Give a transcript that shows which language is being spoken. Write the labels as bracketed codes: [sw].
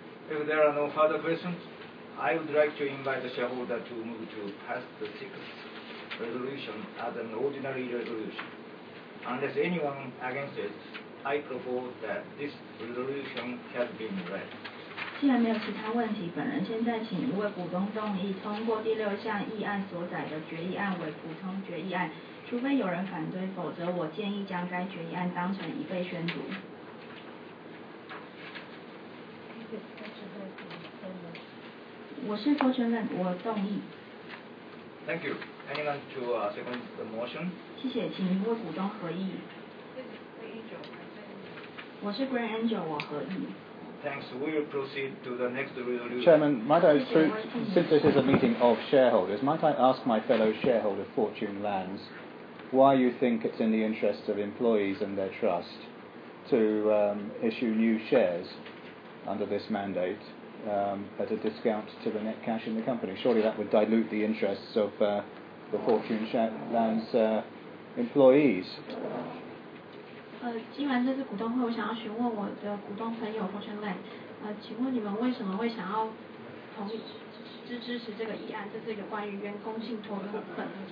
[en] If there are no further questions, I would like to invite the shareholder to move to pass the 6th resolution as an ordinary resolution. Unless anyone against it, I propose that this resolution has been read. [zh] 既然没有其他问题，本人现在请一位股东动议通过第6项议案所载的决议案为普通决议案，除非有人反对，否则我建议将该决议案当成已被宣读。我是郭春任，我动议。 [en] Thank you. Anyone to second the motion? [zh] 谢谢，请一位股东合议。我是 Green Angel， 我合议。 [en] Thanks. We will proceed to the next resolution. Chairman, might I, since this is a meeting of shareholders, might I ask my fellow shareholder Fortune Lands why you think it's in the interests of employees and their trust to issue new shares under this mandate at a discount to the net cash in the company? Surely that would dilute the interests of the Fortune Lands employees. [zh] 既然这是股东会，我想要询问我的股东朋友黄春磊，请问你们为什么会想要同意支持这个议案？这是一个关于员工信托的部分。